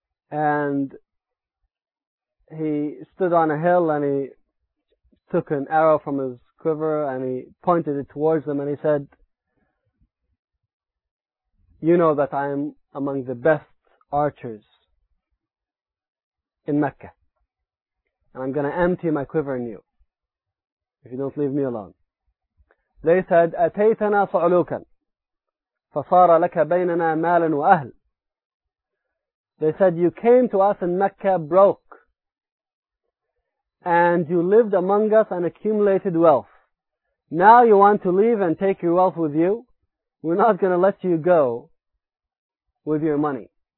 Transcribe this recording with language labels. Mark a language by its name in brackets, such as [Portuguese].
[English] And he stood on a hill and he took an arrow from his quiver and he pointed it towards them and he said, you know that I am among the best archers in Mecca. And I'm going to empty my quiver on you if you don't leave me alone. They said, [Arabic] أَتَيْتَنَا صَعْلُوكًا فَصَارَ لَكَ بَيْنَنَا مَالًا وَأَهْلٍ. [English] They said, you came to us in Mecca broke, and you lived among us and accumulated wealth. Now you want to leave and take your wealth with you? We're not going to let you go with your money.